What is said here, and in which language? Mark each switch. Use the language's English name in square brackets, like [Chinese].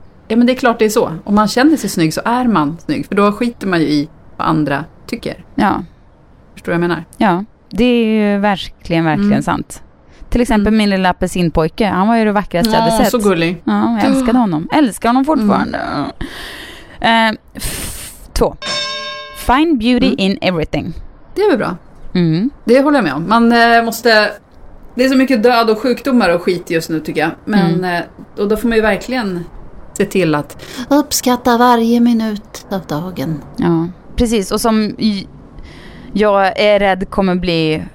[Swedish] Ja, men det är klart det är så. Om man känner sig snygg så är man snygg. För då skiter man ju i vad andra tycker. Ja. Förstår du vad jag menar? Ja, det är ju verkligen, verkligen sant. Till exempel min lilla apelsinpojke. Han var ju det vackraste jag hade sett. Så gullig. Ja, jag älskade honom. Älskar honom fortfarande. Mm. Två. [English] Find beauty in everything. [Swedish] Det är väl bra. Mm. Det håller jag med om. Man måste... Det är så mycket död och sjukdomar och skit just nu, tycker jag. Men och då får man ju verkligen se till att uppskatta varje minut av dagen. Ja, precis. Och som jag är rädd kommer bli...